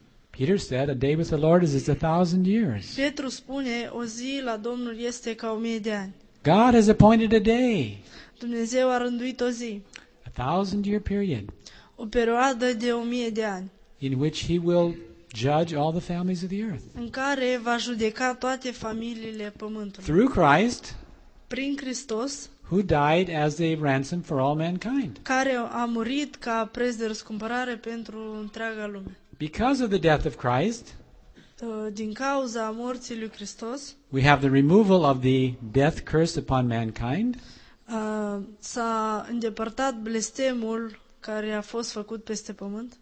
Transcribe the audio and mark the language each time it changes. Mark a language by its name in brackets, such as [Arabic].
[English] Peter said, a day with the Lord is as a thousand years. [Romanian] Petru spune, o zi la Domnul este ca o mie de ani. [English] God has appointed a day. [Romanian] Dumnezeu a rânduit o zi. [English] A thousand year period. [Romanian] O perioadă de o mie de ani. [English] In which he will judge all the families of the earth. [Romanian] În care va judeca toate familiile pământului. [English] Through Christ, [Romanian] prin Hristos, [English] who died as a ransom for all mankind. [Romanian] Care a murit ca preț de răscumpărare pentru întreaga lume. [English] Because of the death of Christ, [Romanian] din cauza morții lui Hristos, [English] we have the removal of the death curse upon mankind. [Romanian] S-a îndepărtat blestemul care a fost făcut peste pământ.